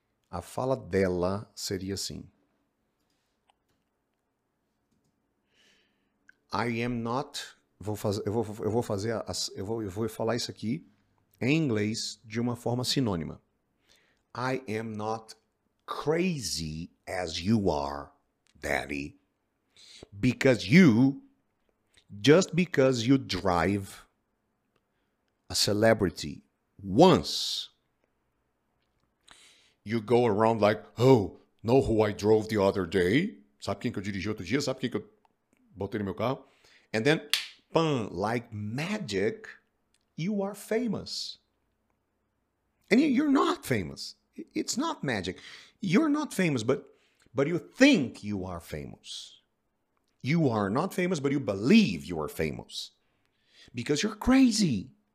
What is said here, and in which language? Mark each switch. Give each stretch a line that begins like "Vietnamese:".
Portuguese: A fala dela seria assim.
English: I am not.
Portuguese: Eu vou falar isso aqui em inglês de uma forma sinônima.
English: I am not crazy as you are, Daddy. Because you, just because you drive a celebrity once, you go around like, oh, know who I drove the other day?
Portuguese: Sabe quem que eu dirigi outro dia? Sabe quem que eu botei no meu carro?
English: And then, pam, like magic, you are famous. And you're not famous. It's not magic. You're not famous, but you think you are famous. You are not famous, but you believe you are famous. Because you're crazy.